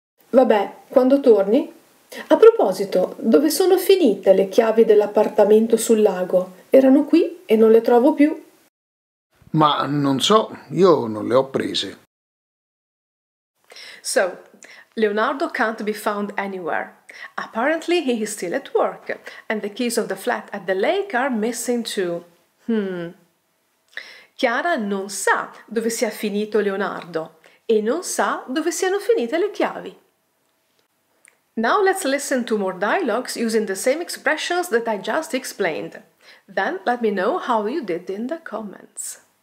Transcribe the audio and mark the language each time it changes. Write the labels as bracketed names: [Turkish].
[Italian] Vabbè, quando torni? A proposito, dove sono finite le chiavi dell'appartamento sul lago? Erano qui e non le trovo più. Ma non so, io non le ho prese. [English] So, Leonardo can't be found anywhere. Apparently he is still at work and the keys of the flat at the lake are missing too. [Italian] Chiara non sa dove sia finito Leonardo e non sa dove siano finite le chiavi. [English] Now let's listen to more dialogues using the same expressions that I just explained. Then let me know how you did in the comments.